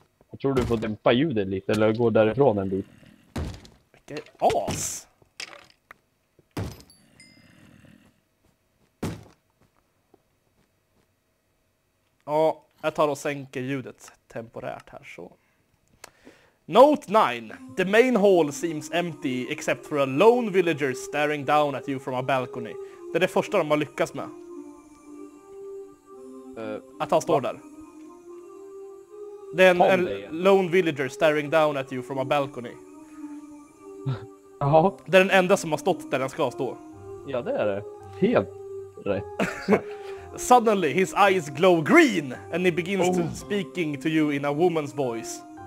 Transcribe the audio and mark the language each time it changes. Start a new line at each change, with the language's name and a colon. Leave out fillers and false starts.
Swedish: Jag tror du får dämpa ljudet lite, eller gå därifrån en bit. Vilket as! Ja. Jag tar och sänker ljudet temporärt här, så.
English: Note 9. The main hall seems empty except for a lone villager staring down at you from a balcony.
Swedish: Det är det första de har lyckats med. Att han står där. Det är en
English: lone villager staring down at you from a balcony.
Swedish: Ja. Det är den enda som har stått där den ska stå. Ja, det är det. Helt rätt.
English: Suddenly, his eyes glow green, and he begins to speaking to you in a woman's voice.